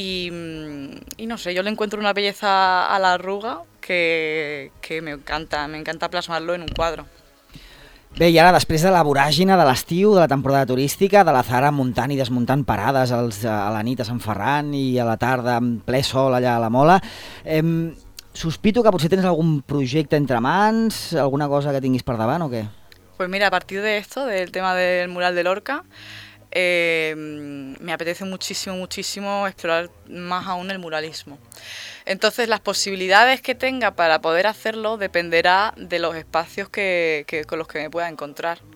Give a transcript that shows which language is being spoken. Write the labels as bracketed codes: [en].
[es] Y no sé, yo le encuentro una belleza a la arruga que me encanta plasmarlo en un cuadro. [ca] Bé, i ara, després de la voràgina de l'estiu, de la temporada turística, de la Zahara muntant i desmuntant parades a la nit a Sant Ferran i a la tarda amb ple sol allà a la Mola... Sospito que potser tens algun projecte entre mans, alguna cosa que tinguis per davant o què? [es] Pues mira, a partir de esto, del tema del mural de Lorca, me apetece muchísimo, muchísimo explorar más aún el muralismo. Entonces, las posibilidades que tenga para poder hacerlo dependerá de los espacios que con los que me pueda encontrar.